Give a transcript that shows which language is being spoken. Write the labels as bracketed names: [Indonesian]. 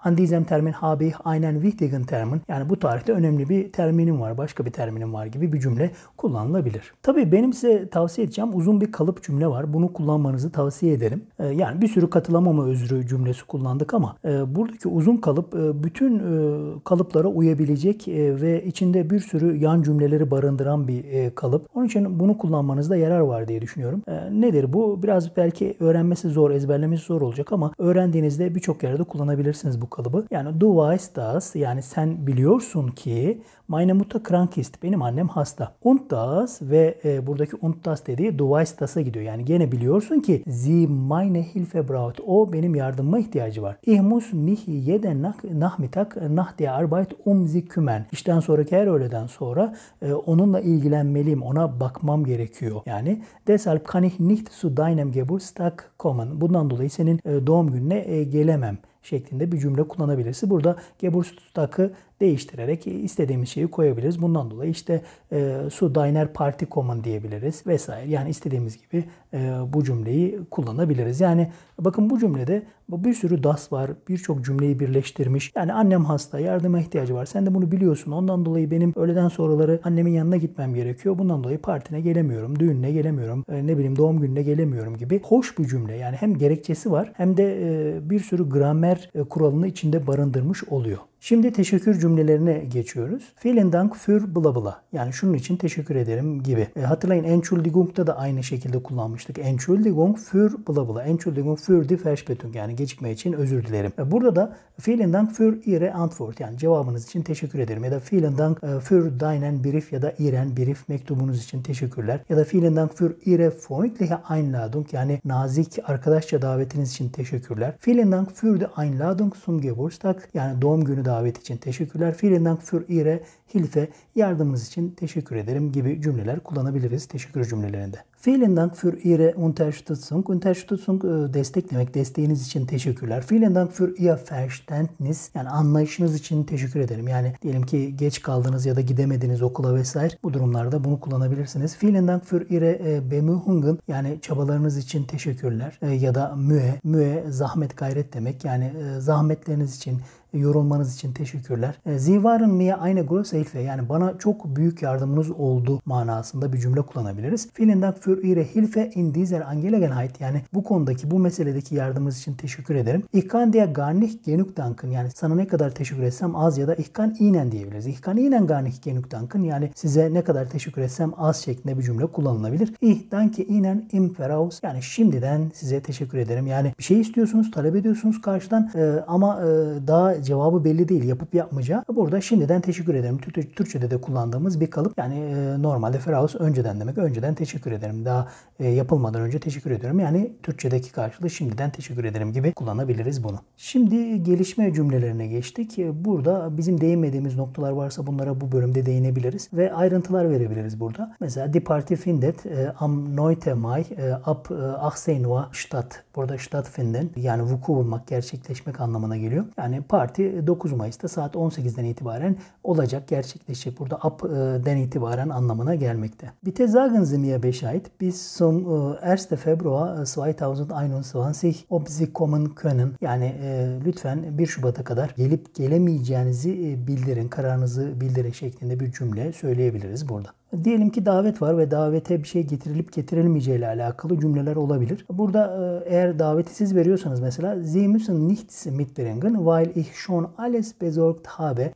[German] An diesem Termin habe ich einen wichtigen Termin. [Turkish] Yani bu tarihte önemli bir terminim var, başka bir terminim var gibi bir cümle kullanılabilir. Tabii benim size tavsiye edeceğim uzun bir kalıp cümle var. Bunu kullanmanızı tavsiye ederim. Yani bir sürü katılamama özrü cümlesi kullandık ama buradaki uzun kalıp bütün kalıplara uyabilecek ve içinde bir sürü yan cümleleri barındıran bir kalıp. Onun için bunu kullanmanızda yarar var diye düşünüyorum. Nedir bu? Biraz belki öğrenmesi zor, ezberlemesi zor olacak ama öğrendiğinizde birçok yerde kullanabilirsiniz bu kalıbı. Yani [German] du weißt das, [Turkish] yani sen biliyorsun ki [German] meine Mutter krank ist, [Turkish] benim annem hasta. [German] Und das, [Turkish] ve buradaki und das dediği du weißt das'a gidiyor. Yani gene biliyorsun ki [German] sie meine Hilfe braucht, [Turkish] o benim yardımıma ihtiyacı var. [German] Ich muss mich jeden Nachmittag nach der Arbeit um sie kümmern. [Turkish] İşten sonraki her öğleden sonra onunla ilgilenmeliyim, ona bakmam gerekiyor. Yani [German] deshalb kann ich nicht zu deinem Geburtstag kommen. [Turkish] Bundan dolayı senin doğum gününe gelemem şeklinde bir cümle kullanabilirsin. Burada Geburtstag'ı değiştirerek istediğimiz şeyi koyabiliriz. Bundan dolayı işte su diner party common diyebiliriz vesaire. Yani istediğimiz gibi bu cümleyi kullanabiliriz. Yani bakın bu cümlede bir sürü das var. Birçok cümleyi birleştirmiş. Yani annem hasta, yardıma ihtiyacı var. Sen de bunu biliyorsun. Ondan dolayı benim öğleden sonraları annemin yanına gitmem gerekiyor. Bundan dolayı partine gelemiyorum, düğününe gelemiyorum, ne bileyim doğum gününe gelemiyorum gibi. Hoş bir cümle. Yani hem gerekçesi var hem de bir sürü gramer kuralını içinde barındırmış oluyor. Şimdi teşekkür cümlelerine geçiyoruz. [German] Vielen Dank für bla bla. [Turkish] Yani şunun için teşekkür ederim gibi. Hatırlayın Entschuldigung'da da aynı şekilde kullanmıştık. [German] Entschuldigung für bla bla. Entschuldigung für die Verspätung. [Turkish] Yani gecikme için özür dilerim. Burada da [German] vielen Dank für Ihre Antwort. [Turkish] Yani cevabınız için teşekkür ederim. Ya da [German] vielen Dank für deinen Brief [Turkish] ya da [German] Ihren Brief, [Turkish] mektubunuz için teşekkürler. [German] Ya da vielen Dank für Ihre freundliche Einladung. [Turkish] Yani nazik arkadaşça davetiniz için teşekkürler. [German] Vielen Dank für die Einladung zum Geburtstag. [Turkish] Yani doğum günü davet için teşekkürler. [German] Vielen Dank für Ihre Hilfe, [Turkish] yardımınız için teşekkür ederim gibi cümleler kullanabiliriz teşekkür cümlelerinde. [German] Vielen Dank für Ihre Unterstützung. [Turkish] Unterstützung destek demek, desteğiniz için teşekkürler. [German] Vielen Dank für Ihr Verständnis. [Turkish] Yani anlayışınız için teşekkür ederim. Yani diyelim ki geç kaldınız ya da gidemediniz okula vesaire. Bu durumlarda bunu kullanabilirsiniz. [German] Vielen Dank für Ihre Bemühungen. [Turkish] Yani çabalarınız için teşekkürler. Ya da Mühe. Mühe zahmet, gayret demek. Yani zahmetleriniz için, yorulmanız için teşekkürler. [German] Sie waren mir eine große Hilfe. [Turkish] Yani bana çok büyük yardımınız oldu manasında bir cümle kullanabiliriz. [German] Vielen Dank für Ihre Hilfe in dieser Angelegenheit. [Turkish] Yani bu konudaki, bu meseledeki yardımınız için teşekkür ederim. [German] Ich kann dir gar nicht genug danken. [Turkish] Yani sana ne kadar teşekkür etsem az, ya da [German] ich kann Ihnen diyebiliriz. Ich kann Ihnen gar nicht genug danken. [Turkish] Yani size ne kadar teşekkür etsem az şeklinde bir cümle kullanılabilir. [German] Ich danke Ihnen im Voraus. [Turkish] Yani şimdiden size teşekkür ederim. Yani bir şey istiyorsunuz, talep ediyorsunuz karşıdan ama daha cevabı belli değil, yapıp yapmayacağı. Burada şimdiden teşekkür ederim. Türkçe'de de kullandığımız bir kalıp. Yani normalde Feraus önceden demek. Önceden teşekkür ederim. Daha yapılmadan önce teşekkür ediyorum. Yani Türkçedeki karşılığı şimdiden teşekkür ederim gibi kullanabiliriz bunu. Şimdi gelişme cümlelerine geçtik. Burada bizim değinmediğimiz noktalar varsa bunlara bu bölümde değinebiliriz ve ayrıntılar verebiliriz burada. [German] Mesela die Party findet am 9. Mai ab 18 Uhr statt. [Turkish] Burada statt finden, yani vuku bulmak, gerçekleşmek anlamına geliyor. Yani parti 9 Mayıs'ta saat 18'den itibaren olacak, gerçekleşecek. Burada ab'den itibaren anlamına gelmekte. [German] Bitte sagen Sie mir Bescheid bis zum 1. Februar 2021 ob Sie kommen können. [Turkish] Yani lütfen 1 Şubat'a kadar gelip gelemeyeceğinizi bildirin, kararınızı bildirin şeklinde bir cümle söyleyebiliriz burada. Diyelim ki davet var ve davete bir şey getirilip getirilmeyeceği ile alakalı cümleler olabilir. Burada eğer daveti siz veriyorsanız mesela [German] Sie müssen nichts mitbringen, weil ich schon alles besorgt habe.